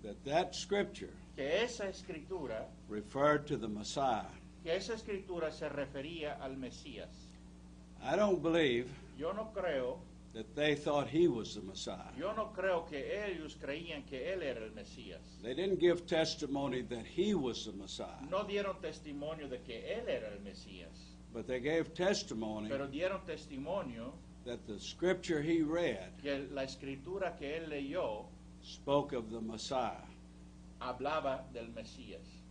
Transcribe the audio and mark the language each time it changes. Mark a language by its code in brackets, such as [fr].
[en] that scripture, [es] que esa escritura, [en] referred to the Messiah, [es] que esa escritura se refería al Mesías. [en] I don't believe, [es] yo no creo, [en] that they thought he was the Messiah. [es] Yo no creo que ellos creían que él era el Mesías. [en] They didn't give testimony that he was the Messiah. [es] No dieron testimonio de que él era el Mesías. [en] But they gave testimony, [es] pero dieron testimonio, [en] that the scripture he read, [es] que la escritura que él leyó, [en] spoke of the Messiah. [es] Hablaba del Mesías.